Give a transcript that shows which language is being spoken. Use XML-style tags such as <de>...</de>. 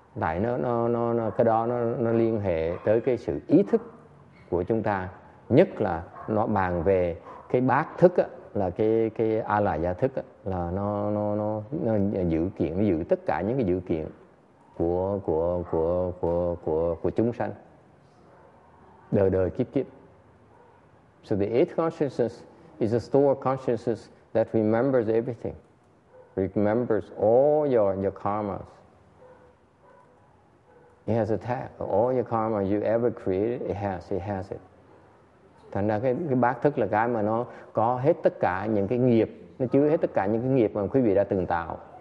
<vi>Tại nó cái đó nó liên hệ tới cái sự ý thức của chúng ta, nhất là nó bàn về cái bát thức á. Là cái a la gia thức á, là nó giữ kiện, nó giữ tất cả những cái dữ kiện của chúng sanh đời đời kiếp kiếp.</vi> <en>So the 8th consciousness is a store consciousness that remembers everything, remembers all your karmas. It has a tag, all your karma you ever created, it has it.</en> <vi>Thành ra cái bát thức là cái mà nó có hết tất cả những cái nghiệp, nó chứa hết tất cả những cái nghiệp mà quý vị đã từng tạo.</vi>